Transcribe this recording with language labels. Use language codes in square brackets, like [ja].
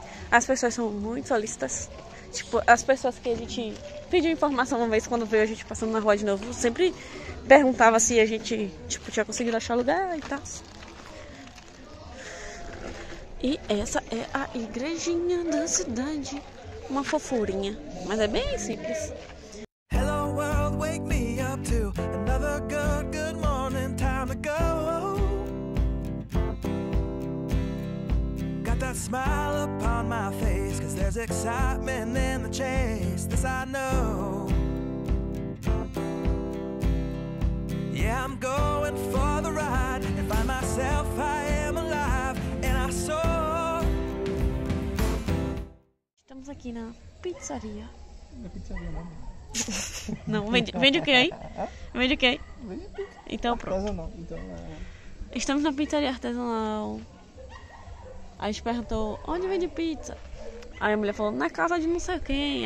[pt] As pessoas são muito solícitas. Tipo, as pessoas que a gente pediu informação uma vez, quando veio a gente passando na rua de novo, sempre perguntava se a gente, tipo, tinha conseguido achar lugar e tal. E essa é a igrejinha da cidade. Uma fofurinha, mas é bem simples. [en] Hello world, wake me up to another good morning, time to go. Got that smile upon my face, cause there's excitement in the chase, this I know. Yeah, I'm going for the ride, and find myself, I am alive, and I soar. [pt] Estamos aqui na pizzaria. Na pizzaria não. Não, vende o que aí? Vende o que aí? Então pronto. Estamos na pizzaria artesanal. A gente perguntou, onde vende pizza? Aí a mulher falou, na casa de não sei quem.